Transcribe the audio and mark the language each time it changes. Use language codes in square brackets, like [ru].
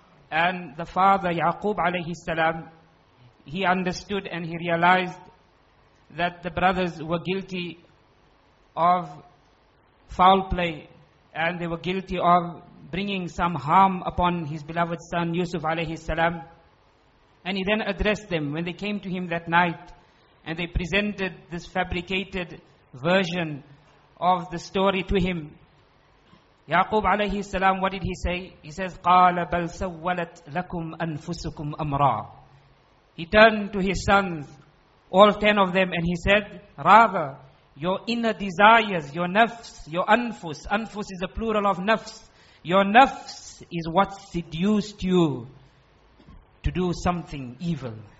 [en] And the father, Yaqub alayhi salam, he understood and he realized that the brothers were guilty of foul play and they were guilty of bringing some harm upon his beloved son Yusuf alayhi salam. And he then addressed them when they came to him that night and they presented this fabricated version of the story to him. Yaqub alayhi salam, what did he say? He says, [ar] قَالَ بَلْ سَوَّلَتْ لَكُمْ أَنفُسُكُمْ أَمْرًا. [en] He turned to his sons, all 10 of them, and he said, rather, your inner desires, your nafs, your anfus, anfus is a plural of nafs, your nafs is what seduced you to do something evil.